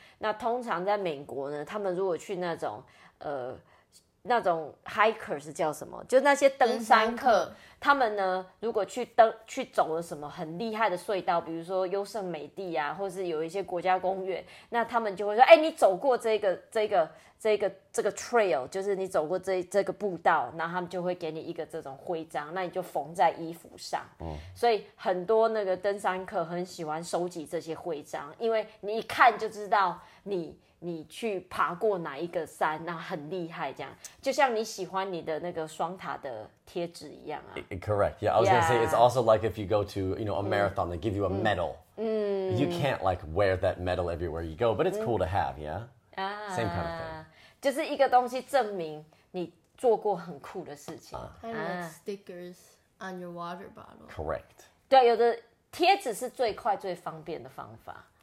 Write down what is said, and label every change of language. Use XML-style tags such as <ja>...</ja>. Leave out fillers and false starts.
<zh>那通常在美国呢，他们如果去那种 hikers 叫什么？就那些登山客，他们呢如果去走了什么很厉害的隧道，比如说优胜美地啊，或是有一些国家公园，那他们就会说：“哎、欸，你走过这个 trail， 就是你走过这个步道，然后他们就会给你一个这种徽章，那你就缝在衣服上。” 所以很多那个登山客很喜欢收集这些徽章，因为你一看就知道你去爬过哪一个山，那很厉害，这样就像你喜欢你的那个双塔的贴纸一样啊。</zh> <en>Correct. Yeah, I was gonna say it's also like if you go to you know a marathon, they give you a medal. You can't like wear that medal everywhere you go, but it's cool to have. Yeah. Same kind of thing.</en> <zh>就是一个东西证明你做过很酷的事情。</zh> <en>Kind of like stickers on your water bottle. Correct.</en> <zh>对，有的贴纸是最快最方便的方法。</zh>